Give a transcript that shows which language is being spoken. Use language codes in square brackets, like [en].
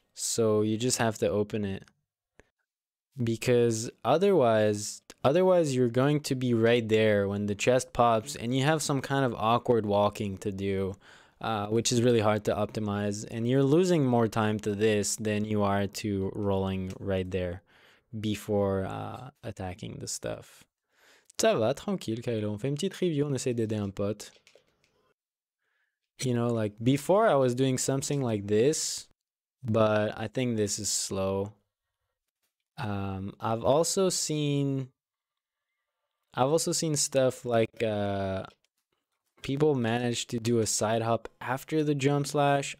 [en] So you just have to open it. Because otherwise you're going to be right there when the chest pops and you have some kind of awkward walking to do, which is really hard to optimize. And you're losing more time to this than you are to rolling right there before attacking the stuff. [fr] Ça va, tranquille, Kylo. On fait une petite review, on essaie d'aider un pote. [en] You know, like, before I was doing something like this, but I think this is slow. I've also seen stuff like people manage to do a side hop after the jump slash.